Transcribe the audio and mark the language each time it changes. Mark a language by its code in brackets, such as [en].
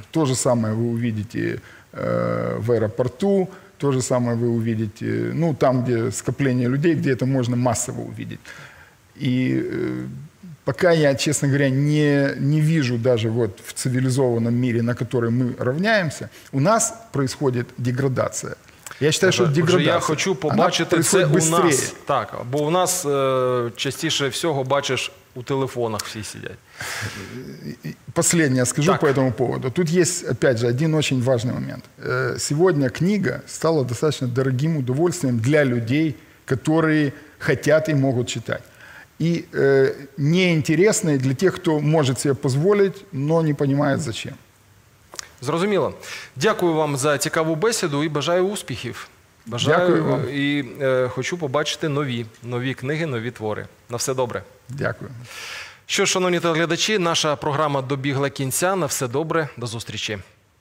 [ru] То же самое вы увидите в аэропорту, то же самое вы увидите, ну, там, где скопление людей, где это можно массово увидеть. И пока я, честно говоря, не вижу даже вот в цивилизованном мире, на который мы равняемся, у нас происходит деградация. Я считаю, [uk] що деградація. Я хочу побачити це у нас. Так, бо у нас частіше всього бачиш у телефонах всі сидять. [ru] Последнее скажу так. По этому поводу. Тут есть, опять же, один очень важный момент. Сегодня книга стала достаточно дорогим удовольствием для людей, которые хотят и могут читать. И неинтересной для тех, кто может себе позволить, но не понимает зачем. [uk] Зрозуміло. Дякую вам за цікаву бесіду і бажаю успіхів. Бажаю. Дякую вам. І хочу побачити нові книги, нові твори. На все добре. Дякую. Що ж, шановні телеглядачі, наша програма добігла кінця. На все добре. До зустрічі.